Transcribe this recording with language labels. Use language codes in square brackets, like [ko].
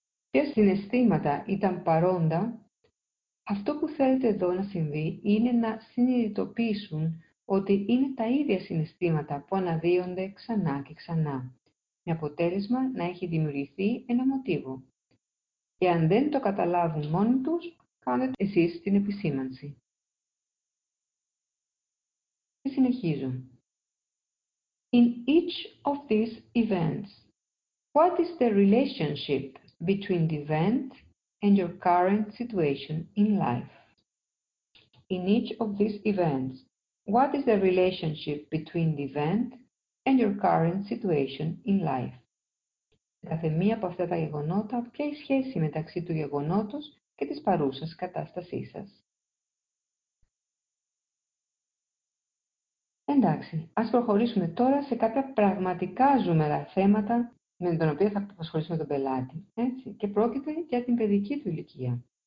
[el] Ποια συναισθήματα ήταν παρόντα? Αυτό που θέλετε εδώ να συμβεί είναι να συνειδητοποιήσουν ότι είναι τα ίδια συναισθήματα που αναδύονται ξανά και ξανά, με αποτέλεσμα να έχει δημιουργηθεί ένα μοτίβο. Και αν δεν το καταλάβουν μόνοι τους, κάνετε εσείς την επισήμανση. Και συνεχίζω. [en] In each of these events, what is the relationship between the event and your current situation in life? In each of these events, what is the relationship between the event and your current situation in life? [el] Σε κάθε μία από αυτά τα γεγονότα, ποια είναι η σχέση μεταξύ του γεγονότος και της παρούσας κατάστασής σας? Εντάξει, ας προχωρήσουμε τώρα σε κάποια πραγματικά ζούμερα θέματα με τον οποίο θα ασχοληθούμε τον πελάτη, έτσι, και πρόκειται για την παιδική του ηλικία.